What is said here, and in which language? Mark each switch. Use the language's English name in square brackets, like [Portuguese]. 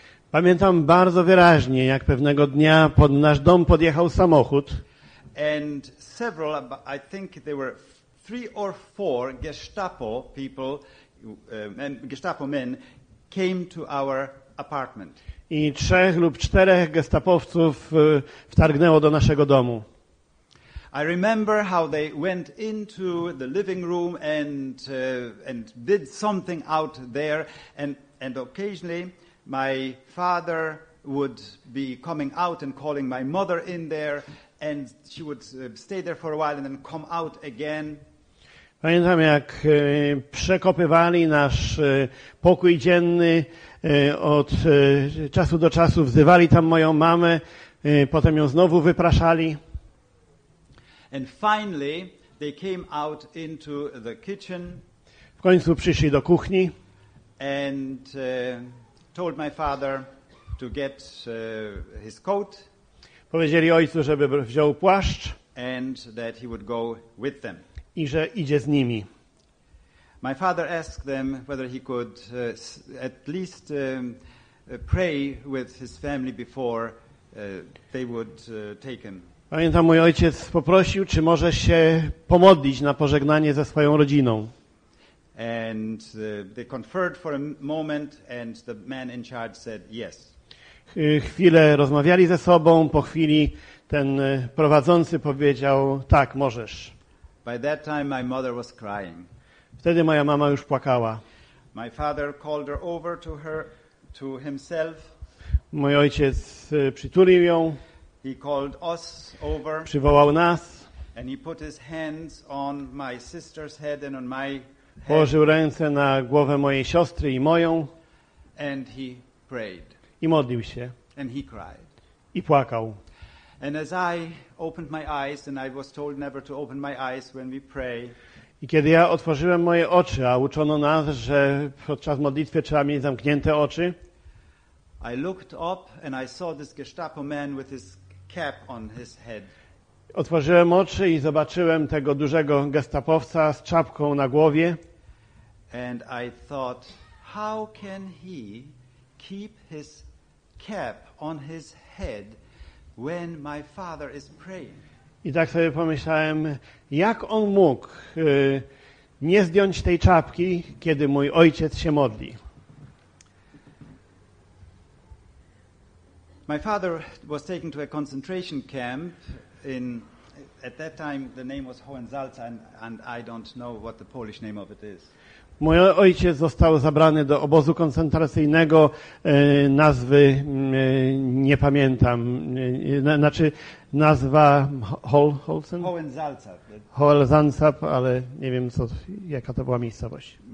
[Polish] Pamiętam bardzo wyraźnie, jak pewnego dnia pod nasz dom podjechał samochód. [English] And several, I think there were 3 or 4 Gestapo people, Gestapo men came to our apartment. [Polish] I 3 lub 4 gestapowców wtargnęło do naszego domu. [English] I remember how they went into the living room and did something out there, and occasionally My father would be coming out and calling my mother in there, and she would stay there for a while and then come out again. [Polish] Pamiętam, jak przekopywali nasz pokój dzienny, od czasu do czasu wzywali tam moją mamę, potem ją znowu wypraszali. [English] And finally they came out into the kitchen. [Polish] W końcu przyszli do kuchni. [English] And told my father to get his coat. [Polish] Powiedzieli ojcu, żeby wziął płaszcz. [English] And that he would go with them. [Polish] I że idzie z nimi. [English] My father asked them whether he could at least pray with his family before they would take him. [Polish] Pamiętam, mój ojciec poprosił, czy może się pomodlić na pożegnanie ze swoją rodziną. [English] And they conferred for a moment and the man in charge said yes. [Polish] Chwilę rozmawiali ze sobą, po chwili ten prowadzący powiedział: tak, możesz. [English] By that time my mother was crying. [Polish] Wtedy moja mama już płakała. [English] My father called her over to her, to himself. [Polish] Mój ojciec przytulił ją. [English] He called us over. [Polish] Przywołał nas. [English] And he put his hands on my sister's head and on my head. [Polish] Położył ręce na głowę mojej siostry i moją. [English] And he prayed. [Polish] I modlił się. [English] And he cried. [Polish] I płakał. [English] And as I opened my eyes, and I was told never to open my eyes when we pray. [Polish] I kiedy ja otworzyłem moje oczy, a uczono nas, że podczas modlitwy trzeba mieć zamknięte oczy. [English] I looked up and I saw this Gestapo man with his cap on his head. [Polish] Otworzyłem oczy i zobaczyłem tego dużego gestapowca z czapką na głowie. [English] And I thought, how can he keep his cap on his head when my father is praying? [Polish] I tak sobie pomyślałem, jak on mógł nie zdjąć tej czapki, kiedy mój ojciec się modli. [English] My father was taken to a concentration camp in, at that time the name was Hohenzalta and I don't know what the Polish name of it is. [Polish] Mój ojciec został zabrany do obozu koncentracyjnego, nazwy nie pamiętam, znaczy nazwa Holzen? Hohenzalta, ale nie wiem, co, jaka to była miejscowość.